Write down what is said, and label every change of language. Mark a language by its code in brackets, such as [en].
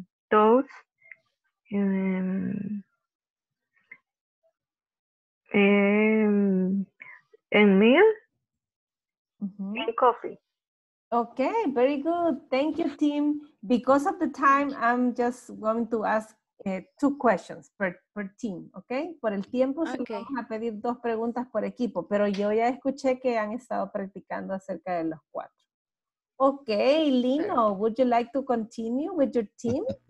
[en] toast, and milk, mm-hmm. and coffee. Okay, very good. Thank you, team. Because of the time, I'm just going to ask two questions per team, okay? [es] Por el tiempo, okay. Sí, vamos a pedir dos preguntas por equipo, pero yo ya escuché que han estado practicando acerca de los cuatro. [en] Okay, Lino, would you like to continue with your team?